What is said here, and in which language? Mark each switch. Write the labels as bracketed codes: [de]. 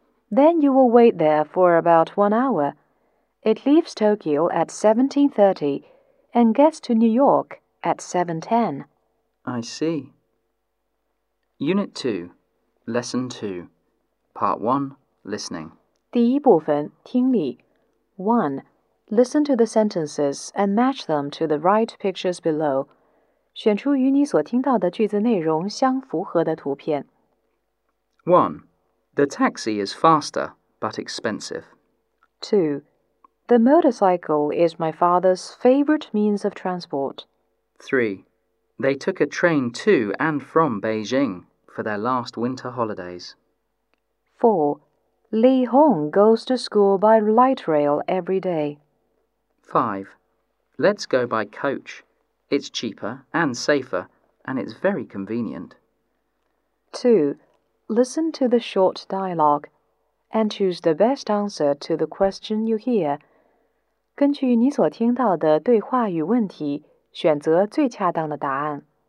[en] Then you will wait there for about 1 hour. It leaves Tokyo at 17:30 and gets to New York at 7:10. I see. Unit 2, Lesson 2, Part 1, Listening. [zh] 第一部分,听力.1. [en] Listen to the sentences and match them to the right pictures below. [zh] 选出与你所听到的句子内容相符合的图片. [en] 1. The taxi is faster, but expensive. 2. The motorcycle is my father's favorite means of transport. 3. They took a train to and from Beijing for their last winter holidays. 4. Li Hong goes to school by light rail every day. 5. Let's go by coach. It's cheaper and safer, and it's very convenient. 2. Listen to the short dialogue and choose the best answer to the question you hear. [zh] 根据你所听到的对话与问题，选择最恰当的答案。